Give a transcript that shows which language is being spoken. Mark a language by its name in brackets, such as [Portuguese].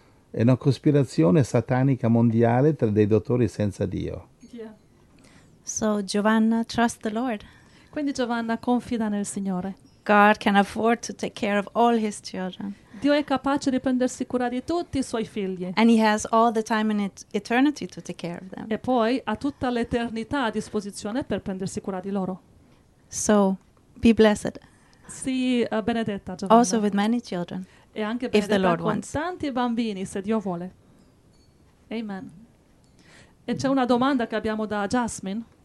[Italian] È una cospirazione satanica mondiale tra dei dottori senza Dio. [English] Yeah. So Giovanna, trust the Lord. [Italian] Quindi Giovanna confida nel Signore. [English] God can afford to take care of all his children. [Italian] Dio è capace di prendersi cura di tutti i suoi figli. [English] And he has all the time in eternity to take care of them. [Italian] E poi ha tutta l'eternità a disposizione per prendersi cura di loro. [English] So, be blessed. [Italian] Sì, benedetta, [English] Giovanna. Also with many children. [Italian] E anche benedetta, [English] if the Lord con wants. [Italian] Tanti bambini, se Dio vuole. Amen. E c'è una domanda che abbiamo da Jasmine.